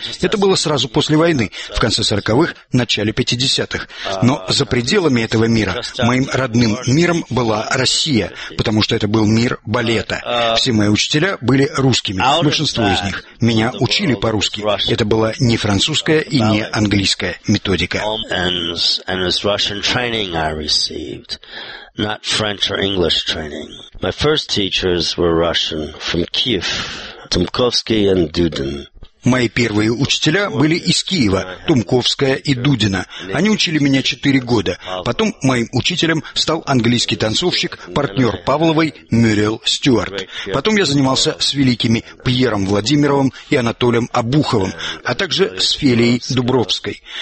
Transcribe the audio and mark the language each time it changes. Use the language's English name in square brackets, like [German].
[Russian] Это было сразу после войны, в конце 40-х, начале 50-х. Но за пределами этого мира, моим родным миром была Россия, потому что это был мир балета. Все мои учителя были русскими, большинство из них. Меня учили по-русски. Это была не французская и не английская методика. [English] And it's Russian training I received, not French or English training. My first teachers were Russian from Kiev, Tumkovsky and Dudin. [Russian] Мои первые учителя были из Киева, Тумковская и Дудина. Они учили меня 4 года. Потом моим учителем стал английский танцовщик, партнер Павловой Мюррел Стюарт. Потом я занимался с великими Пьером Владимировым и Анатолием Обуховым, а также с Фелией Дубровской.